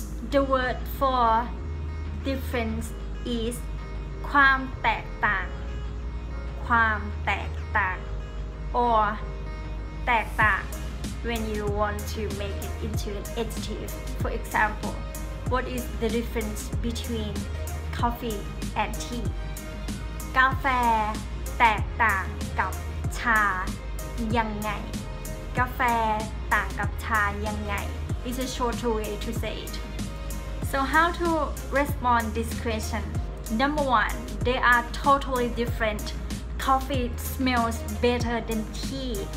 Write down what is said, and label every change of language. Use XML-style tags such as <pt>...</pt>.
<en>The word for difference is</en> <th>ความแตกต่าง ความแตกต่าง</th> <en>or</en> <th>แตกต่าง</th> <en>when you want to make it into an adjective. For example,What is the difference between coffee and tea?</en> <th>กาแฟแตกต่างกับชายังไงกาแฟต่างกับชายังไง</th> <en>It's a short way to say it. So how to respond this question? Number one, they are totally different. Coffee smells better than tea.</en>